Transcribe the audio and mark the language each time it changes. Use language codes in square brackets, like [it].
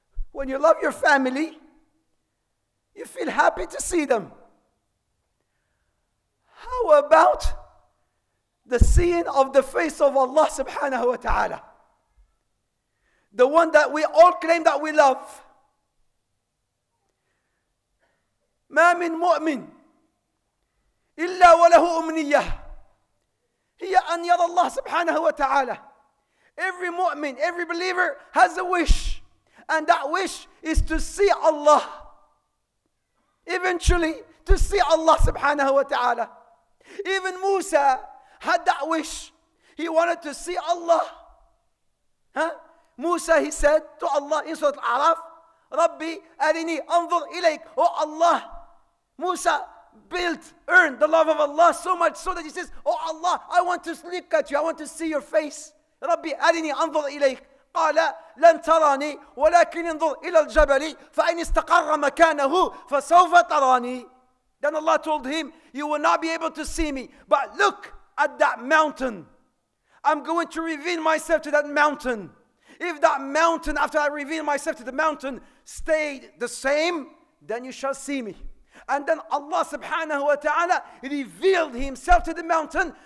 [en] When you love your family, you feel happy to see them. How about the seeing of the face of Allah subhanahu wa ta'ala? The one that we all claim that we love. [ar] ما من مؤمن إلا وله أمنية هي أن يرى الله سبحانه وتعالى. [en] Every mu'min, every believer has a wish. And that wish is to see Allah. Eventually, to see Allah subhanahu wa ta'ala. Even Musa had that wish. He wanted to see Allah. Huh? Musa, he said to Allah in Surah Al-A'raf, [ar] Rabbi, arini, anzur ilayk. [en] Oh Allah, Musa earned the love of Allah so much so that he says, Oh Allah, I want to look at you. I want to see your face. [ar] Rabbi, arini, anzur ilayk. قال لن تراني ولكن انظر إلى الجبل فإن استقر مكانه فسوف تراني. [en] Then Allah told him, you will not be able to see me, but look at that mountain. I'm going to reveal myself to that mountain. If that mountain, after I reveal myself to the mountain, stayed the same, then you shall see me. And then Allah subhanahu wa ta'ala revealed himself to the mountain.